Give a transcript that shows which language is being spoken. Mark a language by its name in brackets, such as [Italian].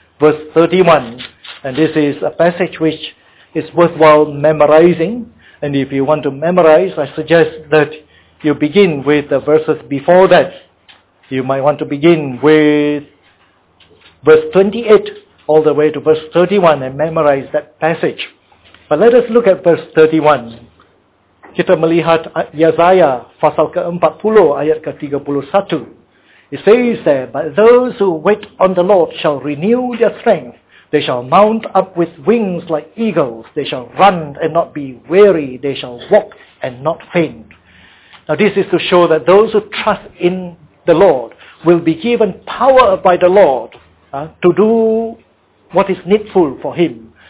[English] Verse 31, and this is a passage which is worthwhile memorizing. And if you want to memorize, I suggest that you begin with the verses before that. You might want to begin with verse 28 all the way to verse 31 and memorize that passage. But let us look at verse 31. [Indonesian] Kita melihat Yesaya pasal ke-40 ayat ke-31. [English] It says there, "But those who wait on the Lord shall renew their strength. They shall mount up with wings like eagles. They shall run and not be weary. They shall walk and not faint." Now this is to show that those who trust in the Lord will be given power by the Lord to do what is needful for him.